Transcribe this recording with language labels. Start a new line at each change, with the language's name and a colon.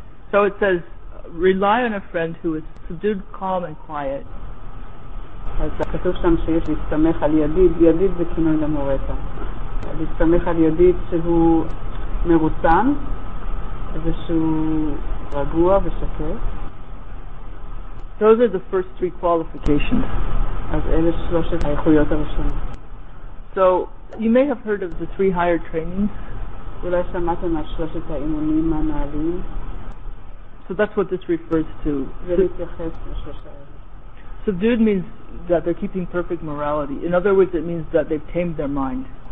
English: So it says, rely on a friend who is subdued, calm, and quiet.
Hebrew: אז כתוב שם שיש להסתמך על ידיד, ידיד זה כינוי למורה. להסתמך על ידיד שהוא מרוצן ושהוא רגוע ושקט.
English: Those are the first three qualifications.
Hebrew: אז אלה שלושת האיכויות הראשונות.
English: So you may have heard of the three higher trainings.
Hebrew: אולי שמעתם על שלושת האימונים הנעלים.
English: So that's what this refers to.
Hebrew: ולהתייחס לשלושה האלה.
English: Subdued means that they're keeping perfect morality. In other words, it means that they've tamed their mind.